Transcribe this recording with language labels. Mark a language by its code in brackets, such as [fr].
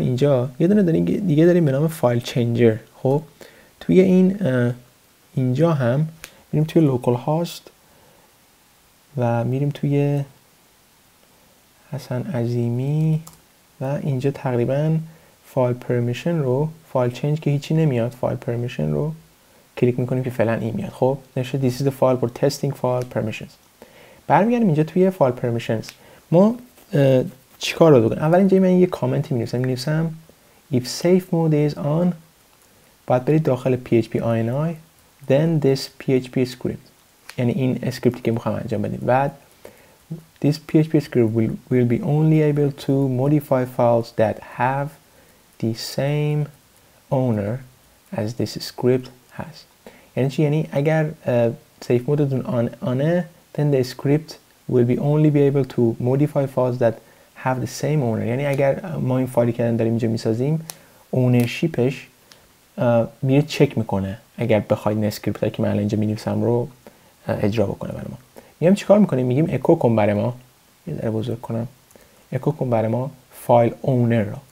[fa] اینجا یه دونه دیگه داریم به نام فایل چنجر. خب توی این اینجا هم میریم توی لوکال هاست و میریم توی حسن عظیمی و اینجا تقریبا فایل پرمیشن رو، فایل چنج که هیچی نمیاد، فایل پرمیشن رو کلیک میکنیم که فعلا این میاد. خب نشه [en] this is the file for testing file permissions. [fa] برمیگردیم اینجا توی فایل پرمیشنز ما چیکار رو بکنیم؟ اول اینجا من یه کامنتی می‌نویسم [en] if safe mode is on [fa] باید برید داخل php ini [en] then this php script، [fa] یعنی این اسکریپتی که میخوام انجام بدیم. [en] بعد this PHP script will be only able to modify files that have the same owner as this script has. [fa] یعنی چی؟ یعنی اگر سیف مودتون آنه [en] then the script will be only be able to modify files that have the same owner. [fa] یعنی اگر ما این فایلی که داریم اینجا میسازیم ownership-ش میره چک میکنه اگر بخواید این اسکریپت که من اینجا می‌نویسم رو اجرا بکنه برای ما. میگم چی کار میکنیم؟ میگیم اکو کن برای ما، یه ذره بزرگ کنم، اکو کن برای ما فایل اونر رو.